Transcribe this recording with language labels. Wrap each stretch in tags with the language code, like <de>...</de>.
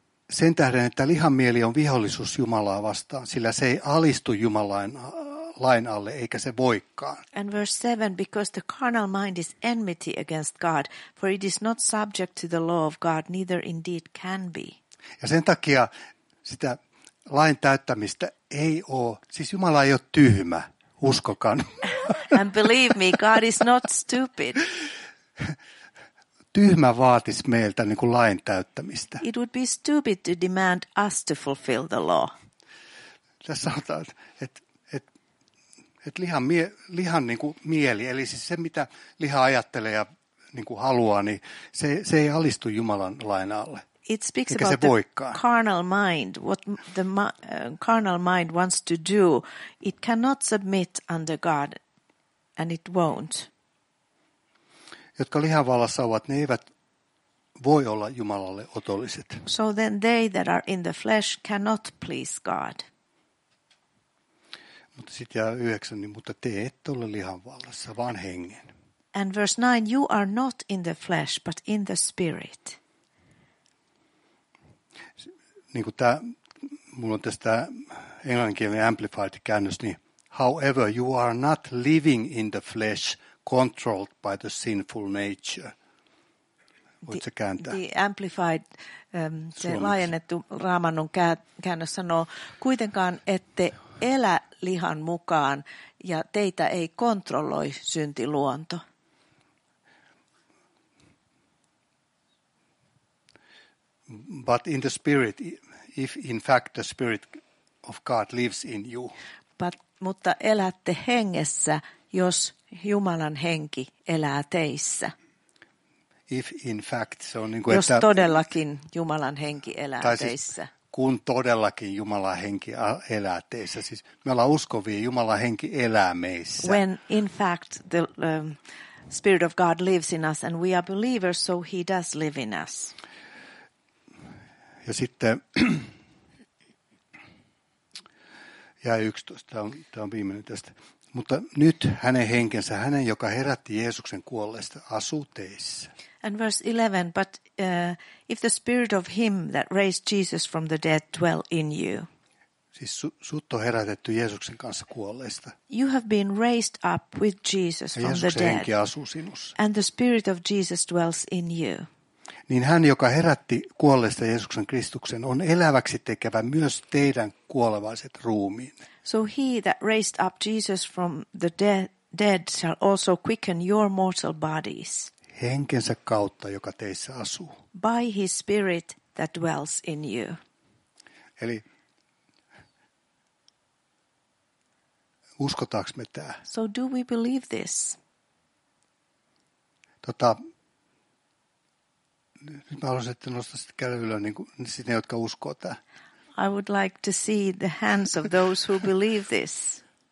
<fi>Sen tähden, että lihan mieli on vihollisuus Jumalaa vastaan, sillä se ei alistu Jumalan lain alle, eikä se voikaan.</fi> <en>And verse 7, because the carnal mind is enmity against God, for it is not subject to the law of God, neither indeed can be.</en> <fi>Ja sen takia sitä lain täyttämistä ei ole, siis Jumala ei ole tyhmä, uskokaan.</fi> <en>And believe me, God is not stupid.</en> <fi>Tyhmä vaatis meiltä niin kuin lain täyttämistä.</fi> <en>It would be stupid to demand us to fulfill the law.</en> <fi>Tässä sanotaan, että lihan niin kuin mieli, eli siis se mitä liha ajattelee ja niin kuin haluaa, niin se ei alistu Jumalan lain alle.</fi> <en>It speaks about the carnal mind, what the carnal mind wants to do. It cannot submit under God, and it won't.</en> <fi>Jotka lihan vallassa ovat, ne eivät voi olla Jumalalle otolliset.</fi> <en>So then they that are in the flesh cannot please God.</en> <fi>Mutta sitten jää 9, niin mutta te ette ole lihan vallassa, vaan hengen.</fi> <en>And verse 9, you are not in the flesh, but in the spirit.</en> <fi>Niin kuin minulla on tästä englanninkielinen Amplified-käännös, niin</fi> <en>however, you are not living in the flesh, controlled by the sinful nature.</en> <fi>Voitko kääntää? The Amplified, se laajennettu Raamannon käännös sanoo, kuitenkaan ette elä lihan mukaan ja teitä ei kontrolloi syntiluonto.</fi> <en>But in the spirit, if in fact the spirit of God lives in you.</en> <fi>Mutta elätte hengessä, jos Jumalan henki elää teissä.</fi> <en>If in fact,</en> <fi>se on niin kuin, jos että, todellakin Jumalan henki elää teissä. Siis, kun todellakin Jumalan henki elää teissä. Siis me ollaan uskovia, Jumalan henki elää meissä.</fi> <en>When in fact the spirit of God lives in us and we are believers, so he does live in us.</en> <fi>Ja sitten jää 11. Tämä on viimeinen tästä. Mutta nyt hänen henkensä, hänen, joka herätti Jeesuksen kuolleista, asuu teissä.</fi> <en>And verse 11, but if the spirit of him that raised Jesus from the dead dwell in you.</en> <fi>Siis sut on herätetty Jeesuksen kanssa kuolleista.</fi> <en>You have been raised up with Jesus from the dead.</en> <fi>Ja Jeesuksen henki asuu sinussa.</fi> <en>And the spirit of Jesus dwells in you.</en> <fi>niin hän, joka herätti kuolleista Jeesuksen Kristuksen, on eläväksi tekevä myös teidän kuolevaiset ruumiin.</fi> <en>So he that raised up Jesus from the dead shall also quicken your mortal bodies.</en> <fi>Henkensä kautta, joka teissä asuu.</fi> <en>By his spirit that dwells in you.</en> <fi>Eli uskotaanko me tämä?</fi> <en>So do we believe this?</en> <fi>Nyt mä haluaisin, että nostaisit käden ylös niin kuin sinne, jotka uskoo tämä.</fi> <en>I would like to see the hands of those who believe this.</en>